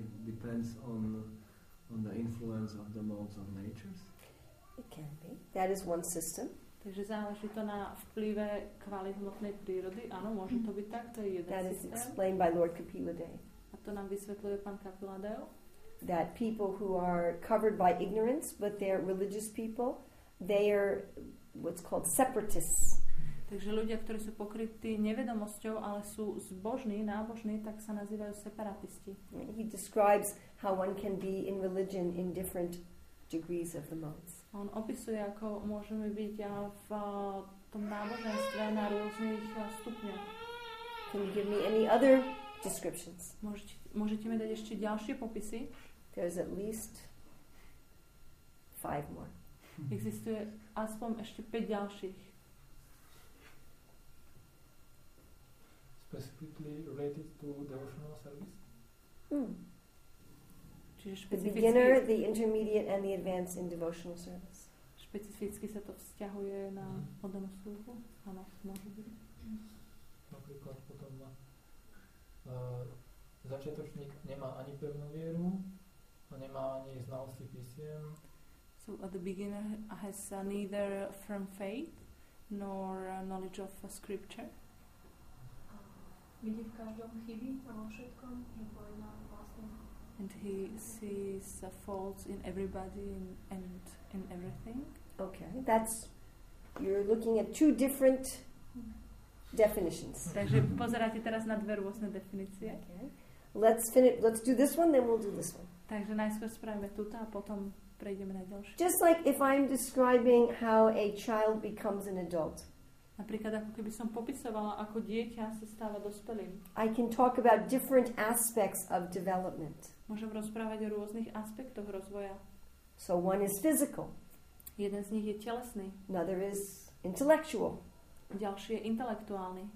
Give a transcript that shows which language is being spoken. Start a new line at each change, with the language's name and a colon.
English: It depends on the influence of the modes of nature. It can be. That is one system.
Slovak: Takže záleží to na vplyve kvality hmotnej prírody. Áno, môže to byť tak, to je jeden
English: that
Slovak: systém.
English: That is explained by Lord Kapila Deo.
Slovak: A to nám vysvetľuje pán Kapila Deo.
English: That people who are covered by ignorance, but they're religious people, they are what's called separatists.
Slovak: Takže ľudia, ktorí sú pokrytí nevedomosťou, ale sú zbožní, nábožní, tak sa nazývajú separatisti.
English: He describes how one can be in religion in different degrees of the modes.
Slovak: On opisuje, ako môžeme byť v tom náboženstve na rôznych stupňoch.
English: Can you give me any other descriptions?
Slovak: Môžete mi dať ešte ďalšie popisy?
English: There's at least 5 more.
Slovak: Existuje aspoň ešte 5 ďalších.
English: Specifically related to devotional service? The beginner, the intermediate and the advanced in devotional service.
Slovak: Špecificky sa to vzťahuje na oddanú službu? Áno, môže byť. Napríklad potom začiatočník nemá ani pevnú vieru a nemá ani znalosti písiem.
English: So at the beginner has neither firm faith nor knowledge of scripture.
Slovak: Vidí v každom chyby vo všetkom, že povedal vlastne.
English: And he sees faults in everybody and in everything. Okay, that's, you're looking at two different definitions.
Slovak: Takže pozeráte teraz na dve rôzne definície.
English: Let's do this one, then we'll do this one.
Slovak: Takže najskôr spravíme túto a potom prejdeme na ďalšiu.
English: Just like if I'm describing how a child becomes an adult.
Slovak: Napríklad ako keby som popisovala, ako dieťa sa stáva dospelým.
English: I can talk about different aspects of development.
Slovak: Môžem rozprávať o rôznych aspektoch rozvoja.
English: So one is physical.
Slovak: Jeden z nich je telesný.
English: Another is intellectual.
Slovak: Ďalší je intelektuálny.